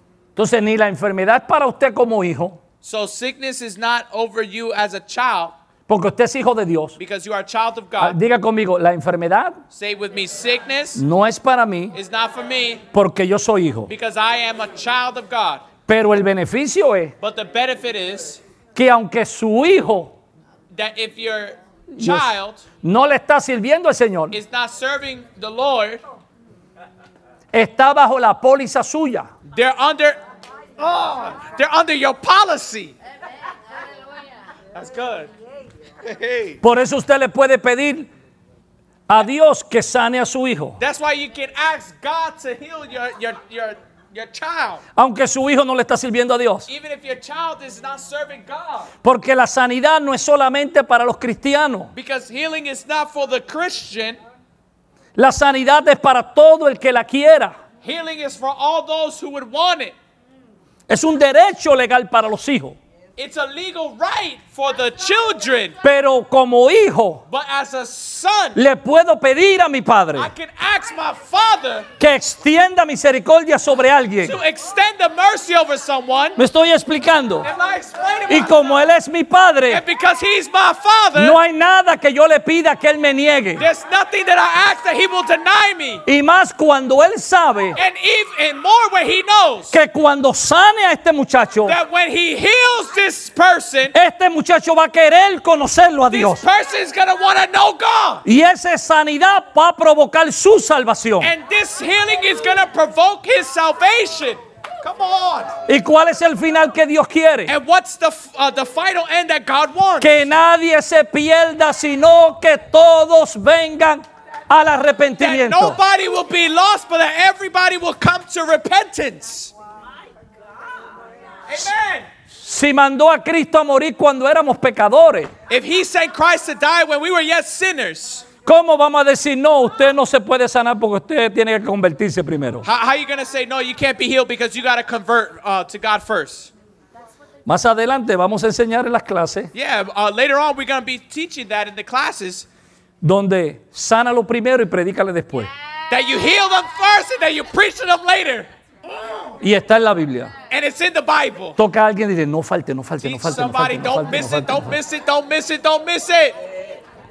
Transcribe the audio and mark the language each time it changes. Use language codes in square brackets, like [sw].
[es] Entonces, ni la enfermedad es para usted como hijo. [en] So sickness is not over you as a child. [es] Porque usted es hijo de Dios. [en] Because you are a child of God. [es] Diga conmigo, la enfermedad. [en] Say with me, sickness. [es] No es para mí. [en] Is not for me. [es] Porque yo soy hijo. [en] Because I am a child of God. [es] Pero el beneficio es. [en] But the benefit is. [es] Que aunque su hijo. [en] That if your child [es] no le está sirviendo al Señor, [en] is not serving the Lord, [es] está bajo la póliza suya. [en] They're under your policy. That's good. [es] Por eso usted le puede pedir a Dios que sane a su hijo. [en] That's why you can ask God to heal your child. [es] Aunque su hijo no le está sirviendo a Dios. [en] Even if your child is not serving God. [es] Porque la sanidad no es solamente para los cristianos. [en] Because healing is not for the Christian. [es] La sanidad es para todo el que la quiera. [en] Healing is for all those who would want it. [es] Es un derecho legal para los hijos. [en] It's a legal right for the children. [es] Pero como hijo, [en] but as a son, [es] le puedo pedir a mi padre, [en] I can ask my father, [es] que extienda misericordia sobre alguien. [en] To extend the mercy over someone. [es] Me estoy explicando. [en] Am I explaining? [es] Y como él es mi padre, [en] and because he's my father, [es] no hay nada que yo le pida que él me niegue. [en] There's nothing that I ask that he will deny me. [es] Y más cuando él sabe, [en] and even more when he knows, [es] que cuando sane a este muchacho, [en] that when he heals this person, [es] este muchacho va a querer conocerlo a Dios. [en] This person is going to want to know God. [es] Y esa sanidad va a provocar su salvación. [en] And this healing is going to provoke his salvation. Come on. [es] ¿Y cuál es el final que Dios quiere? [en] And what's the final end that God wants? [es] Que nadie se pierda, sino que todos vengan al arrepentimiento. [en] That nobody will be lost, but that everybody will come to repentance. Amen. [es] Si mandó a Cristo a morir cuando éramos pecadores. [en] If he sent Christ to die when we were yet sinners. [es] ¿Cómo vamos a decir no? Usted no se puede sanar porque usted tiene que convertirse primero. [en] How are you going to say no? You can't be healed because you got to convert to God first. [es] Más adelante vamos a enseñar en las clases. [en] Yeah, later on we're going to be teaching that in the classes. [es] Donde sana lo primero y predícale después. [en] That you heal them first and that you preach to them later. [es] Y está en la Biblia. [en] And it's in the Bible. [es] Toca a alguien y dice, no falte, no falte, no falte, no falte. [en] Don't miss it, don't miss it, don't miss it, don't miss it.